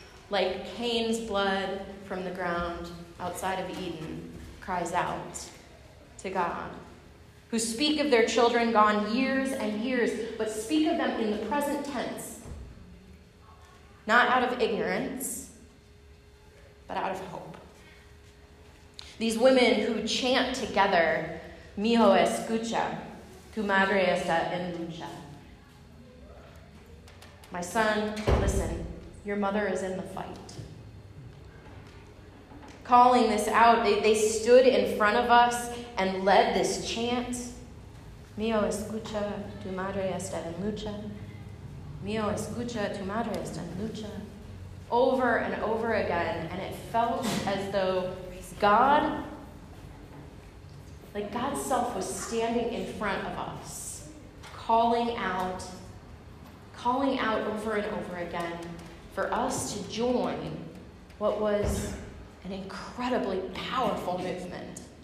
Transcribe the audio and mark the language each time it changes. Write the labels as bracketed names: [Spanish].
[English] like Cain's blood from the ground outside of Eden cries out to God, who speak of their children gone years and years, but speak of them in the present tense, not out of ignorance, but out of hope. These women who chant together, [Spanish] Mijo escucha, tu madre está en lucha. [English] My son, listen, your mother is in the fight. Calling this out, they stood in front of us and led this chant. [Spanish] Mijo escucha, tu madre está en lucha. Mio, escucha tu madre, está en lucha. [English] Over and over again, and it felt as though God's self was standing in front of us, calling out over and over again for us to join what was an incredibly powerful movement.